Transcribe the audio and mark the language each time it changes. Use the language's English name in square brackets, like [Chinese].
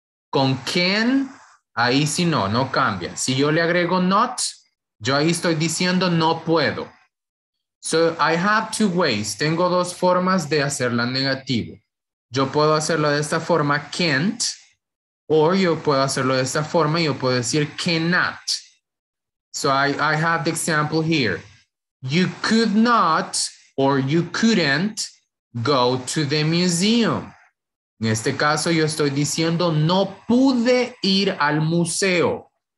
[Spanish] Con can, ahí sí no, no cambia. Si yo le agrego not, yo ahí estoy diciendo no puedo. [English] So, I have two ways. [Spanish] Tengo dos formas de hacerla negativa. Yo puedo hacerlo de esta forma, can't. Or yo puedo hacerlo de esta forma, yo puedo decir cannot. [English] So I have the example here. You could not or you couldn't go to the museum. [Spanish] En este caso yo estoy diciendo no pude ir al museo.